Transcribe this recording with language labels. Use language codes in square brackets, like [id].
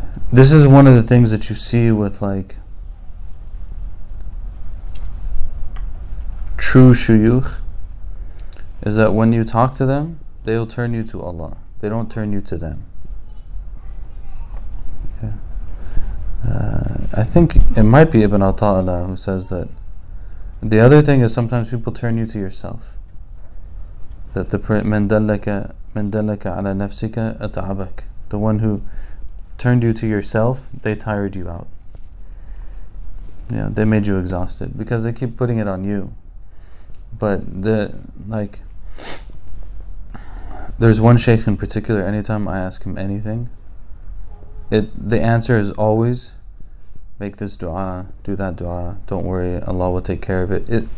[en] This is one of the things that you see with like true shuyukh, is that when you talk to them, they'll turn you to Allah. They don't turn you to them. Okay. I think it might be Ibn Ataillah who says that the other thing is sometimes people turn you to yourself. That the [ar] من دلك على نفسك أتعبك. [en] The one who turned you to yourself, they tired you out. Yeah, they made you exhausted because they keep putting it on you. But the like, there's one shaykh in particular, anytime I ask him anything, the answer is always, make this dua, do that dua, don't worry, Allah will take care of it.